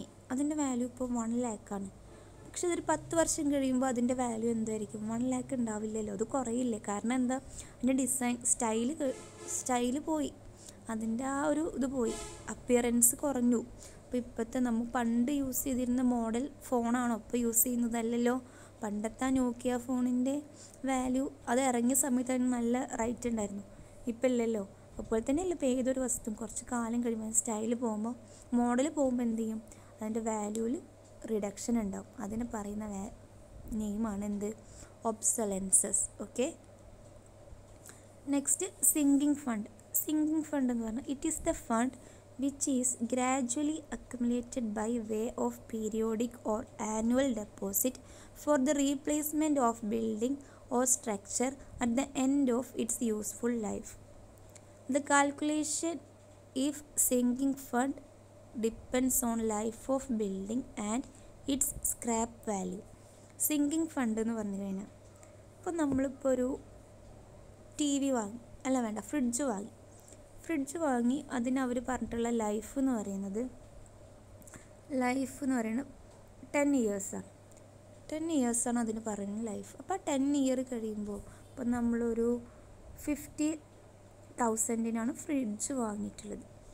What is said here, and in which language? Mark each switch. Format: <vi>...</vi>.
<en>That is the value of 1 lakh. If you have 10 years, value is 1 lakh. That is not the value of 1 lakh. That is the design, style. That is the value of appearance.</en> <ml>അപ്പോൾ ഇപ്പോഴത്തെ നമ്മൾ പണ്ട് use ചെയ്തിരുന്ന model ഫോണാണോ ഇപ്പോൾ use ചെയ്യുന്നതല്ലോ പണ്ടത്തെ നോക്കിയ ഫോണിൻ്റെ value അത് ഇറങ്ങിയ സമയത്ത് നല്ല റൈറ്റ് ഉണ്ടായിരുന്നു ഇപ്പം ഇല്ലല്ലോ അപ്പോൾ തന്നെ ഇല്ല ഇപ്പോൾ ഏതൊരു വസ്തുവും കുറച്ച് കാലം കഴിയുമ്പോൾ സ്റ്റൈൽ പോകുമ്പോൾ മോഡൽ പോകുമ്പോൾ എന്ത് ചെയ്യും അതിൻ്റെ വാല്യൂവിൽ റിഡക്ഷൻ ഉണ്ടാവും അതിനെ പറയുന്ന നെയിമാണ് എന്ത് ഒബ്സലൻസസ് ഓക്കെ</ml> <en>next sinking fund</en> <ml>എന്ന് പറഞ്ഞാൽ</ml> <en>It is the fund which is gradually accumulated by way of periodic or annual deposit for the replacement of building or structure at the end of its useful life. The calculation if sinking fund depends on life of building and its scrap value.</en> <ml>Sinking fund എന്ന് പറഞ്ഞു കഴിഞ്ഞാൽ ഇപ്പോൾ നമ്മളിപ്പോൾ ഒരു T V വാങ്ങി അല്ല വേണ്ട fridge വാങ്ങി ഫ്രിഡ്ജ് വാങ്ങി അതിനവർ പറഞ്ഞിട്ടുള്ള ലൈഫ് എന്ന് പറയുന്നത് ലൈഫ് എന്ന് പറയുന്നത് 10 ഇയേഴ്സാണ് 10 ഇയേഴ്സാണ് അതിന് പറയുന്നത് ലൈഫ് അപ്പോൾ 10 ഇയർ കഴിയുമ്പോൾ ഇപ്പം നമ്മളൊരു 50,000 ഫ്രിഡ്ജ് വാങ്ങിയിട്ടുള്ളത്</ml>